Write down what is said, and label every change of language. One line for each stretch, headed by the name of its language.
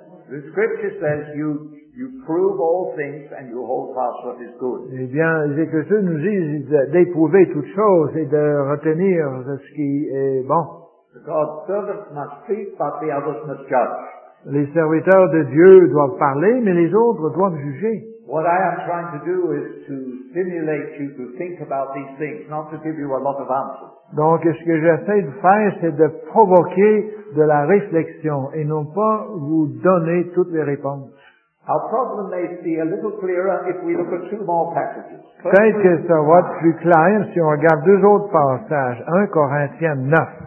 English: The scripture says you prove all things and you hold fast what is good.
French: Eh bien, les Écritures nous disent d'éprouver toutes choses et de retenir ce qui est bon.
English: God's servants must speak, but the others must judge.
French: Les serviteurs de Dieu doivent parler, mais les autres doivent juger.
English: What I am trying to do is to stimulate you to think about these things, not to give you a lot of answers.
French: Donc, ce que j'essaie de faire, c'est de provoquer de la réflexion et non pas vous donner toutes les réponses.
English: Our problem may be a little clearer if we look at two more passages.
French: Peut-être que ça va être plus clair si on regarde deux autres passages. 1 Corinthiens 9.